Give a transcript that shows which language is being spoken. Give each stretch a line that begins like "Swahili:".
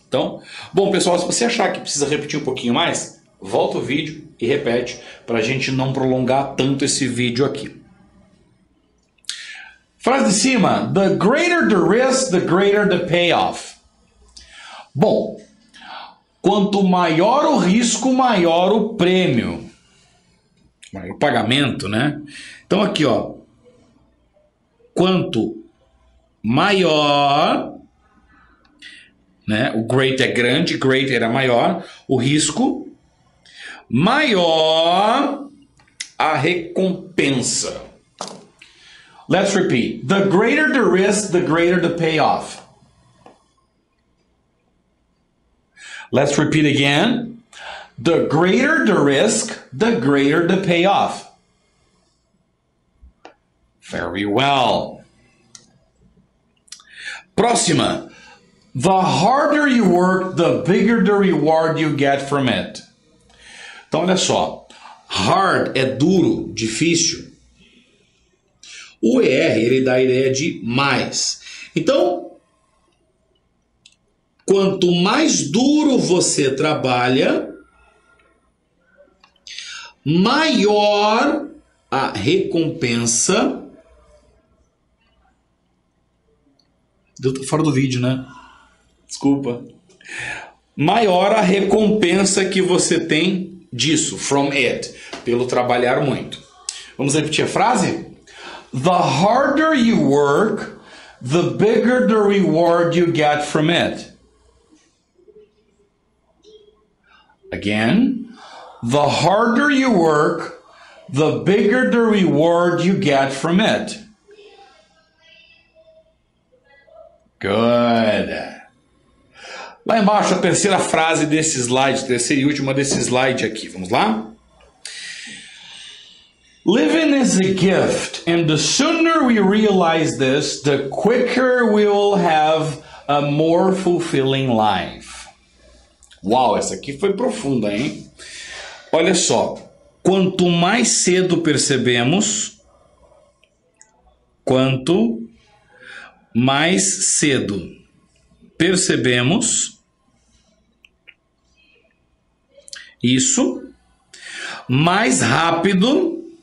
Portuguese: Então, bom, pessoal, se você achar que precisa repetir um pouquinho mais, volta o vídeo e repete para a gente não prolongar tanto esse vídeo aqui. Frase de cima.
English: The greater the risk, the greater the payoff.
Portuguese: Bom, quanto maior o risco, maior o prêmio. O pagamento, né? Então aqui, ó. Quanto maior, né? O great é grande, great era maior, o risco, maior a recompensa.
English: Let's repeat. The greater the risk, the greater the payoff. Let's repeat again. The greater the risk, the greater the payoff. Very well.
Portuguese: Próxima.
English: The harder you work, the bigger the reward you get from it.
Portuguese: Então, olha só. Hard é duro, difícil. O ER, ele dá a ideia de mais. Então, quanto mais duro você trabalha, maior a recompensa. Deu fora do vídeo, né? Desculpa. Maior a recompensa que você tem disso,
English: from it,
Portuguese: pelo trabalhar muito. Vamos repetir a frase?
English: The harder you work, the bigger the reward you get from it. Again. The harder you work, the bigger the reward you get from it. Good.
Portuguese: Lá embaixo, a terceira frase desse slide, terceira e última desse slide aqui. Vamos lá?
English: Living is a gift, and the sooner we realize this, the quicker we'll have a more fulfilling life.
Portuguese: Uau, essa aqui foi profunda, hein? Olha só, quanto mais cedo percebemos, quanto mais cedo percebemos isso, mais rápido